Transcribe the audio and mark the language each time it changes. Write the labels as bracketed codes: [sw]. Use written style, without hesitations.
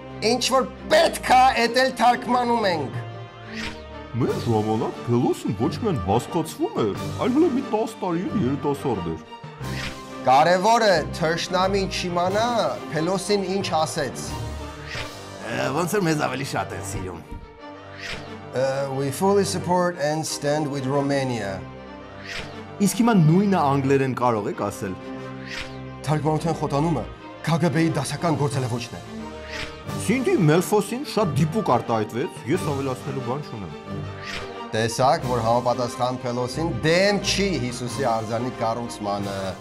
[hy] Ինչ որ պետք է, դա էլ թարգմանում ենք։ Մեր ժամանակ Փելոսին ոչ միայն հասկացվում էր, այլ հենց մի 10 տարի էր երիտասարդ էր։ Կարևորը թշնամին չիմանա, Փելոսին ինչ ասեց։ Ոնց էր մեզ ավելի շատ են սիրում։ [en] We fully support and stand with Romania. [hy] Իսկ հիմա նույնը անգլերեն կարող եք ասել։ Թարգմանության խոտանումը KGB-ի դասական գործել է ոչ թե։ Սինդի Մելֆոսին շատ դիպուկ արտահայտվեց, ես ավելացնելու բան չունեմ։ Տեսակ, որ համապատասխան Փելոսին դեմ չի Հիսուսի արձանի կառուցմանը։